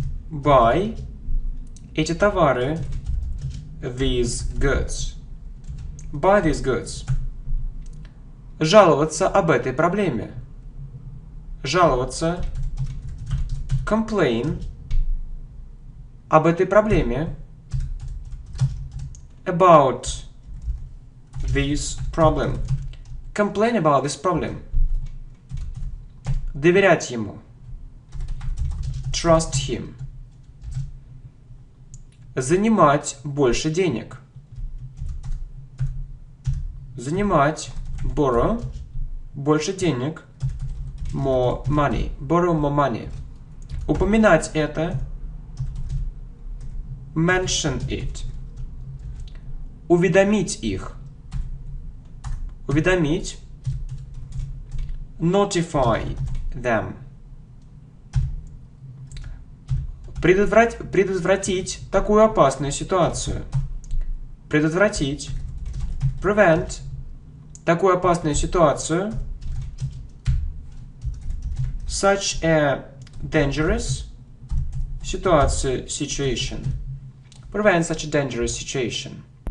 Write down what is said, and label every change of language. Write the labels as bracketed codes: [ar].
[en] Buy [ru] эти товары, [en] these goods. Buy these goods. [ru] Жаловаться об этой проблеме. Жаловаться. [en] Complain [ru] об этой проблеме. [en] About this problem. Complain about this problem. [ru] Доверять ему. [en] Trust him. [ru] Занимать больше денег. Занимать, [en] borrow, [ru] больше денег, [en] more money, borrow more money. [ru] Упоминать это, [en] mention it. [ru] Уведомить их, уведомить, [en] notify them. [ru] Предотвратить такую опасную ситуацию. Предотвратить, [en] prevent, [ru] такую опасную ситуацию, [en] such a dangerous [ru] ситуацию, [en] situation, prevent such a dangerous situation.